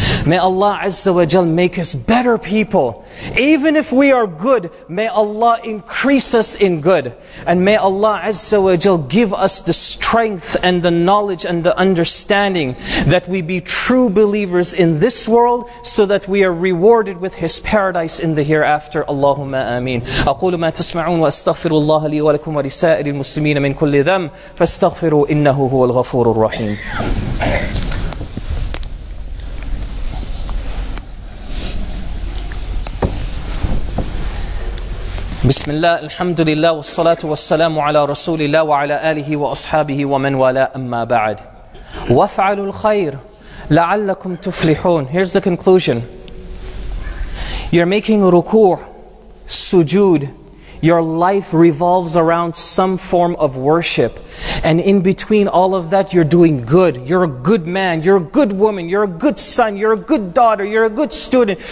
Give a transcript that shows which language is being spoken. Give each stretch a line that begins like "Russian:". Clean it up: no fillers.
English: May Allah Azza wa Jal make us better people. Even if we are good, may Allah increase us in good. And may Allah Azza wa Jal give us the strength and the knowledge and the understanding that we be true believers in this world so that we are rewarded with His paradise in the hereafter. Allahumma ameen.
Arabic: أقول ما تسمعون وأستغفر الله لي ولكم ولسائر المسلمين من كل ذنب فاستغفروا إنه هو الغفور الرحيم. بسم الله الحمد لله والصلاة والسلام على رسول الله وعلى آله وأصحابه ومن والاه أما بعد وافعلوا الخير لعلكم تفلحون.
English: Here's the conclusion. You're making ruku', sujood. Your life revolves around some form of worship. And in between all of that, you're doing good. You're a good man. You're a good woman. You're a good son. You're a good daughter. You're a good student.